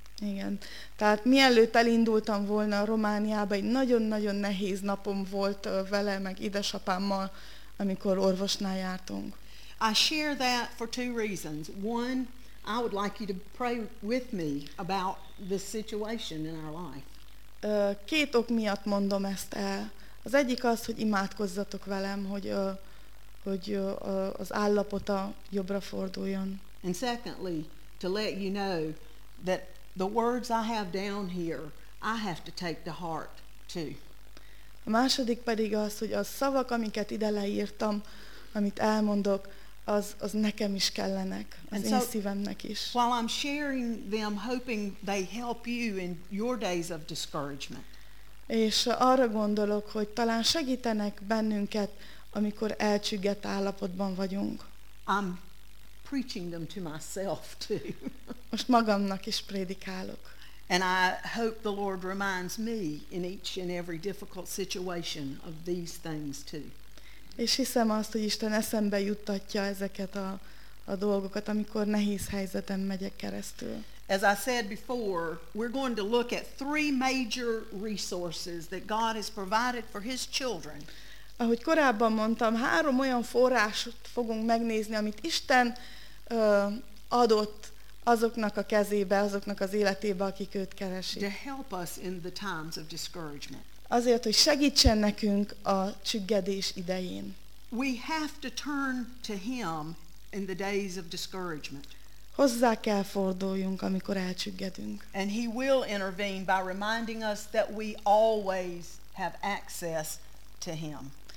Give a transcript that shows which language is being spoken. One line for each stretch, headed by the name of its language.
Hungarian: Igen. Tehát mielőtt elindultam volna Romániába, egy nagyon-nagyon nehéz napom volt vele, meg édesapámmal, amikor orvosnál jártunk.
English: I share that for two reasons. One, I would like you to pray with me about this situation in our life.
Hungarian: Két ok miatt mondom ezt el. Az egyik az, hogy imádkozzatok velem, hogy az állapota jobbra forduljon.
English: And secondly, to let you know that the words I have down here, I have to take to heart too.
Hungarian: A második pedig az, hogy a szavak, amiket ide leírtam, amit elmondok, az nekem is kellenek, az
English: and so,
Hungarian: szívemnek is.
English: While I'm sharing them, hoping they help you in your days of discouragement.
Hungarian: És arra gondolok, hogy talán segítenek bennünket, amikor elcsüggett állapotban vagyunk.
English: I'm preaching them to myself too.
Hungarian: Most magamnak is prédikálok.
English: And I hope the Lord reminds me in each and every difficult situation of these things too.
Hungarian: És hiszem azt, hogy Isten eszembe juttatja ezeket a dolgokat, amikor nehéz helyzeten megyek keresztül.
English: As I said before, we're going to look at three major resources that God has provided for his children.
Hungarian: Ahogy korábban mondtam, három olyan forrást fogunk megnézni, amit Isten adott azoknak a kezébe, azoknak az életébe, akik őt keresik.
English: To help us in the times of discouragement.
Hungarian: Azért, hogy segítsen nekünk a csüggedés idején.
English: We have to turn to him in the days of discouragement.
Hungarian: Hozzá kell forduljunk, amikor elcsüggedünk.
English: And he will intervene by reminding us that we always have access to him.